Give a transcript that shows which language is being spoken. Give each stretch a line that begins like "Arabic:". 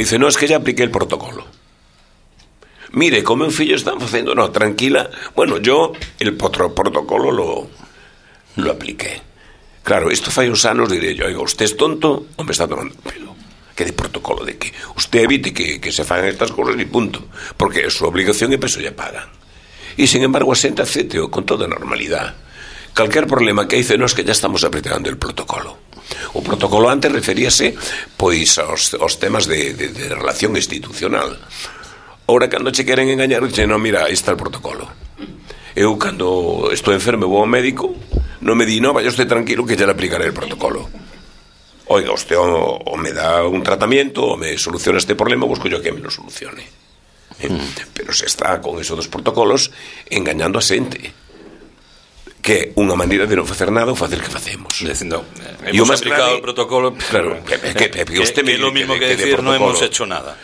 Spanish: Dice: no, es que ya apliqué el protocolo.
Galician: Mire, como o fillo están facendo, no, tranquila.
Spanish: Bueno, yo el protocolo lo apliqué.
Galician: Claro, isto fai uns anos,
Spanish: diré yo: oiga, usted es tonto o me está tomando pelo.
Galician: Que de protocolo, de que usted evite que se fagan estas cosas y punto, porque é súa obligación e peso lle pagan. E sin embargo a xente acepteo con toda normalidade. Calquer problema que dice:
Spanish: no, es que ya estamos apretando el protocolo.
Galician: O protocolo antes referíase pois aos temas de relación institucional. Ahora, cando che queren engañar, dice: no, mira, aí está el protocolo. Eu cando estou enfermo vou ao médico, non me di:
Spanish: no, vaya usted tranquilo que ya le aplicaré el protocolo. Oiga, usted o me dá un tratamento o me soluciona este problema, busco yo que me lo solucione.
Galician: Pero se está con esos dos protocolos engañando a xente, que unha maneira de non facer nada ou facer que facemos. Dicendo: hemos aplicado o protocolo, claro, que
Spanish: é lo mismo que decir: non hemos hecho nada.